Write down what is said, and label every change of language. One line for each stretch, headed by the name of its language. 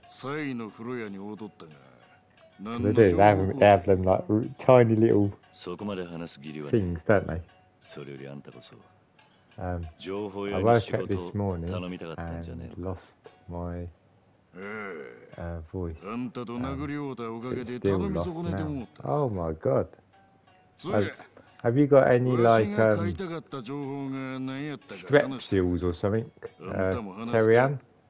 Japanese: サイの風呂屋に踊ったが、何の情報か。
English: They have them like tiny little things, don't they?
Japanese: それよりあんたこそ。情報屋に仕事を頼みたかったんじゃねえ。
English: Lost my voice.
Japanese: あんたと殴り合ったおかげで頼み損ねてもった。
English: Oh my god. Have you got any like stretch deals or something, Terry-Ann?